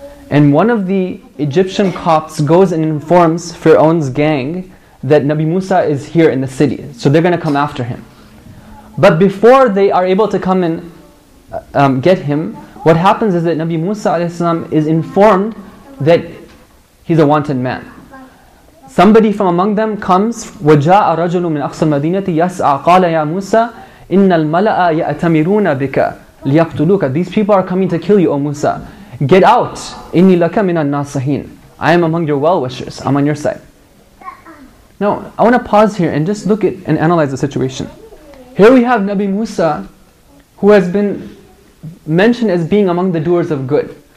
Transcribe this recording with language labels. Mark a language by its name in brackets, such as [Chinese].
[English] And one of the Egyptian cops goes and informs Fir'aun's gang that Nabi Musa is here in the city, so they're going to come after him. But before they are able to come and get him, what happens is that Nabi Musa alayhi salam is informed that he's a wanted man. Somebody from among them comes, [Arabic] وَجَاءَ رَجُلٌ مِنْ أَقْصَى الْمَدِينَةِ يَسْعَى قَالَ يَا مُوسَى إِنَّ الْمَلَأَ يَأْتَمِرُونَ بِكَ لِيَقْتُلُوكَ. [English] These people are coming to kill you, O Musa. Get out. [Arabic] إِنِّي لَكَ مِنَ النَّاصِحِينَ. [English] I am among your well-wishers. I'm on your side. Now, I want to pause here and just look at and analyze the situation. Here we have Nabi Musa, who has been mentioned as being among the doers of good.